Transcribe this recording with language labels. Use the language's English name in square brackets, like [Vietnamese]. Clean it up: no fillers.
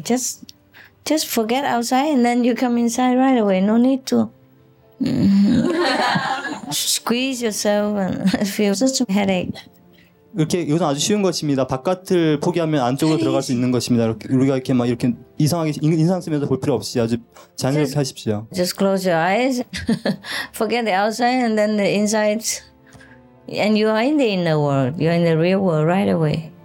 [English] Just forget outside and then you come inside right away. No need to squeeze yourself and feel such a headache. [Korean] 이렇게 이것은 아주 쉬운 것입니다. 바깥을 포기하면 안쪽으로 들어갈 수 있는 것입니다. 우리가 이렇게 막 이렇게 이상하게 인상 쓰면서 볼 필요 없이 아주 자연스럽게 하십시오. [English] Just close your eyes, forget the outside and then the inside. And you are in the inner world. You are in the real world right away.